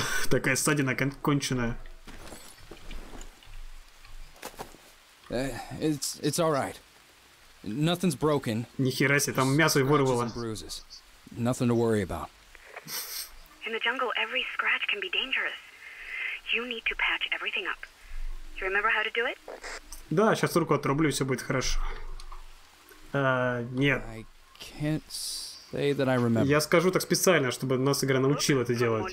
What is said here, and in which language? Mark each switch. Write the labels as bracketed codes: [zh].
[ru] Такая ссадина конченая. [en] It's all right. Nothing's broken. [ru] Ни хера себе, там мясо и вырвало. [en] Bruises. Nothing to worry about. In the jungle, every scratch can be dangerous. You need to patch everything up. You remember how to do it? [ru] Да, сейчас руку отрублю, все будет хорошо. Нет. [en] I can't say that I remember. [ru] Я скажу так специально, чтобы нас игра научила это делать.